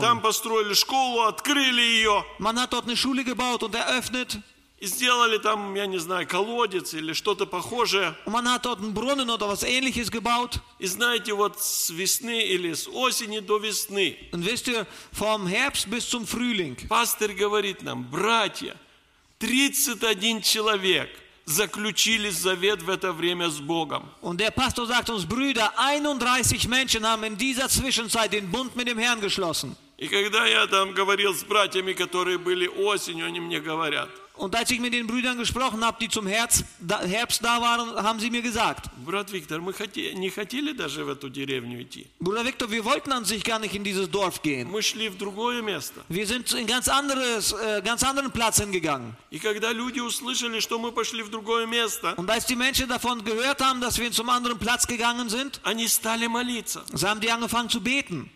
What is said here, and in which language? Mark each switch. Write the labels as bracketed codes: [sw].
[ru] Там построили школу, открыли ее. [de] Man hat dort eine Schule gebaut und eröffnet. [ru] И сделали там, я не знаю, колодец или что-то похожее. [de] Man hat dort einen Brunnen oder was Ähnliches gebaut. [ru] И знаете, вот с весны или с осени до весны. [de] Und wisst ihr, vom Herbst bis zum Frühling. [ru] Пастор говорит нам, братья, 31 человек заключили завет в это время с Богом. [de] Und der Pastor sagt uns, Brüder, 31 Menschen haben in dieser Zwischenzeit den Bund mit dem Herrn geschlossen. [ru] И когда я там говорил с братьями, которые были осенью, они мне говорят. [de] Und als ich mit den Brüdern gesprochen habe, die zum Herbst da waren, haben sie mir gesagt: Bruder Viktor, wir wollten an sich gar nicht in dieses Dorf gehen. Wir sind in ganz anderen Platz hingegangen. Und als die Menschen davon gehört haben, dass wir zum anderen Platz gegangen sind, haben die angefangen zu beten.